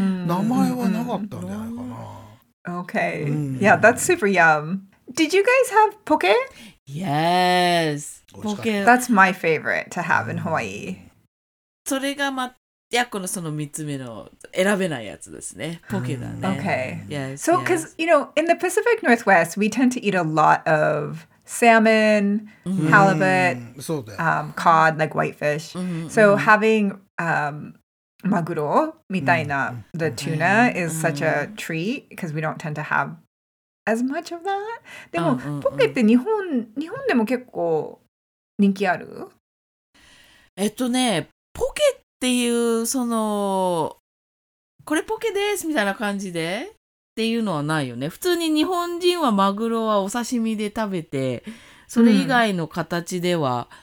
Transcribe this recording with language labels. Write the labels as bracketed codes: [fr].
[ja] 名前はなかったんじゃないかな。 [en] Okay. Yeah, that's super yum. Did you guys have poke? Yes, poke. That's my favorite to have in Hawaii. [ja] それがま、やこのその3つ目の選べないやつですね。ポケだね。 [en] Okay. Yes. So, because, you know, in the Pacific Northwest, we tend to eat a lot of salmon, halibut, cod, like whitefish. So having maguro, mitaina, the tuna is such a treat because we don't tend to have as much of that. [ja] でもポケって日本でも結構人気ある？ポケっていうそのこれポケですみたいな感じでっていうのはないよね。普通に日本人はマグロはお刺身で食べて、それ以外の形では、